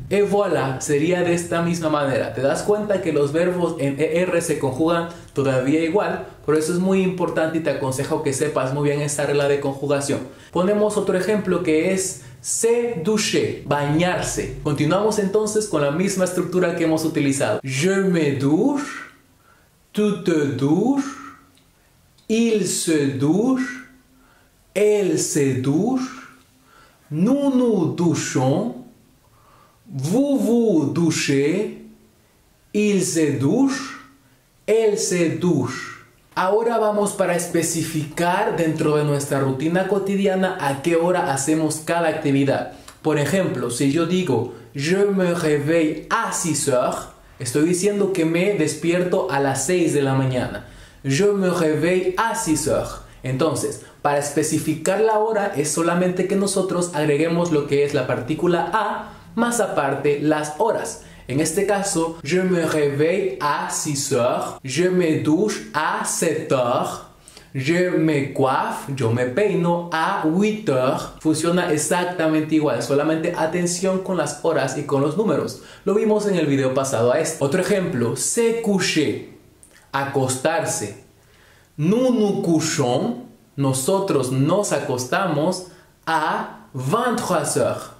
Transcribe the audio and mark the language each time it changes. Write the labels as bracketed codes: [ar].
[fr] Et voilà, [es] sería de esta misma manera. ¿Te das cuenta que los verbos en ER se conjugan todavía igual? Por eso es muy importante y te aconsejo que sepas muy bien esa regla de conjugación. Ponemos otro ejemplo que es [fr] se douche, [es] bañarse. Continuamos entonces con la misma estructura que hemos utilizado. [fr] Je me douche, tu te douche, il se douche, elle se douche, nous nous douchons, vous vous douchez, il se douche, elle se douche. [es] Ahora vamos para especificar dentro de nuestra rutina cotidiana a qué hora hacemos cada actividad. Por ejemplo, si yo digo [fr] je me réveille à 6h, [es] estoy diciendo que me despierto a las 6 de la mañana. [fr] Je me réveille à 6h. [es] Entonces, para especificar la hora es solamente que nosotros agreguemos lo que es la partícula à más aparte las horas. En este caso, [fr] je me réveille à 6h, je me douche à 7h, je me coiffe, [es] yo me peino [fr] à 8h. [es] Funciona exactamente igual, solamente atención con las horas y con los números. Lo vimos en el video pasado a este. Otro ejemplo, [fr] se coucher, acostarse. Nous nous couchons, [es] nosotros nos acostamos [fr] à 23h.